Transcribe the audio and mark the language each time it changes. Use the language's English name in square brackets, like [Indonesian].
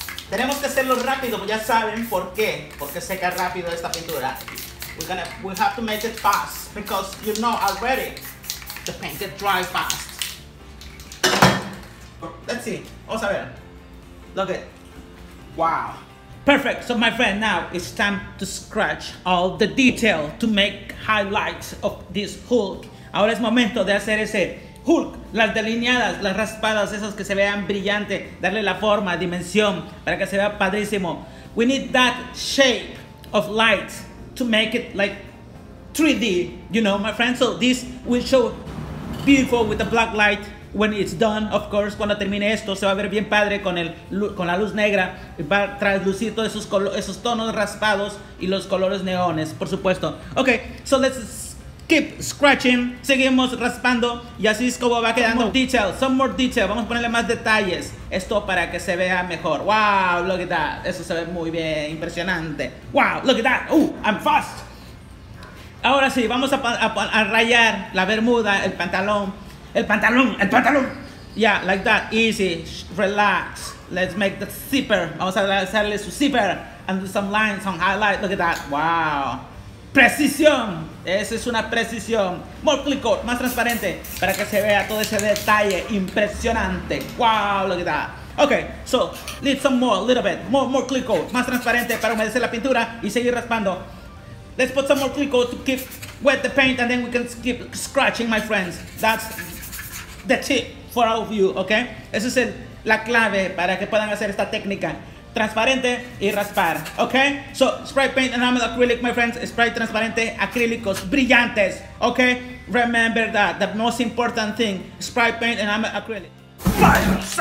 [Spanish] Tenemos que hacerlo rápido, ya saben por qué. Porque seca rápido esta pintura. [English] We have to make it fast. Because you know already, the paint gets dry fast. Let's see. [Spanish] Vamos a ver. [English] Look it. Wow. Perfect. So my friend, now it's time to scratch all the detail to make highlights of this hook. [Spanish] Ahora es momento de hacer ese hook, las delineadas, las raspadas, esas que se vean brillante, darle la forma, dimensión, para que se vea padrísimo. [English] We need that shape of light to make it like 3D, you know, my friend. So this will show beautiful with the black light when it's done. Of course, [Spanish] cuando termine esto, se va a ver bien padre con la luz negra. Va a traslucir todos esos tonos raspados y los colores neones, por supuesto. [English] Okay, so let's keep scratching, [Spanish] seguimos raspando y así es como va quedando. [English] Some more detail, [Spanish] vamos a ponerle más detalles. Esto para que se vea mejor. [English] Wow, look at that, [Spanish] eso se ve muy bien, impresionante. [English] Wow, look at that, I'm fast. [Spanish] Ahora sí, vamos a rayar la bermuda, el pantalón. El pantalón, el pantalón. [English] Yeah, like that. Easy. Relax. Let's make the zipper. [Spanish] Vamos a hacerle su zipper. [English] And do some lines, some highlights. Look at that. Wow. Precisión. [Spanish] Esa es una precisión. [English] More clear coat, [Spanish] más transparente. Para que se vea todo ese detalle impresionante. [English] Wow, look at that. Okay, so, need some more, a little bit. More clear coat, [Spanish] más transparente para humedecer la pintura y seguir raspando. [English] Let's put some more clear coat to keep wet the paint and then we can keep scratching, my friends. That's the tip for all of you, okay? [Spanish] Esa es la clave para que puedan hacer esta técnica. Transparente y raspar, [English] okay? So, spray paint enamel acrylic, my friends. [Spanish] Spray transparente, acrílicos, brillantes, okay? [English] Remember that, the most important thing. Spray paint enamel acrylic.